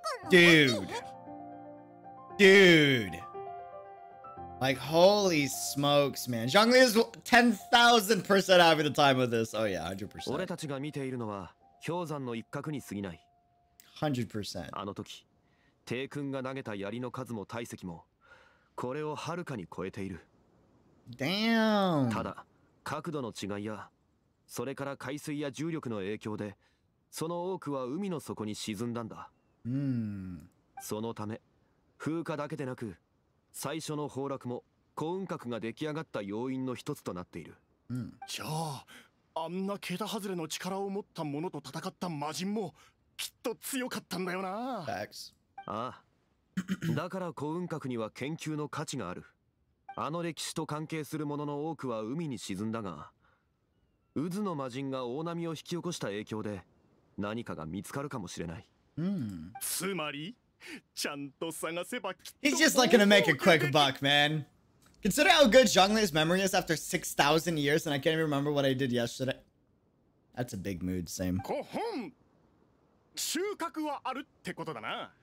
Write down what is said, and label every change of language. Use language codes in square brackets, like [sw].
[en] Dude. Dude. Like, holy smokes, man. Zhong Li is 10,000% having the time of this. Oh, yeah, 100%. [ja] 俺たちが見ているのは氷山の一角に過ぎない。 [en] 100%. [ja] あの時、帝君が投げた槍の数も体積もこれをはるかに超えている。 [en] Damn. [ja] ただ角度の違いや、それから海水や重力の影響で、その多くは海の底に沈んだんだ。そのため、風化だけでなく、最初の崩落も幸運閣が出来上がった要因の一つとなっている。じゃあ、あんな桁外れの力を持った者と戦った魔人もきっと強かったんだよな。 [en] Thanks. [ja] ああ、だから幸運閣には研究の価値がある。あの歴史と関係するものの多くは海に沈んだが、渦の魔人が大波を引き起こした影響で何かが見つかるかもしれない。つまり、ちゃんと探せばきっと。 [en] He's just looking to make a quick buck, man. Consider how good Zhong Li's memory is after 6,000 years, and I can't even remember what I did yesterday. That's a big mood, same. [ja] こほん、収穫はあるってことだな。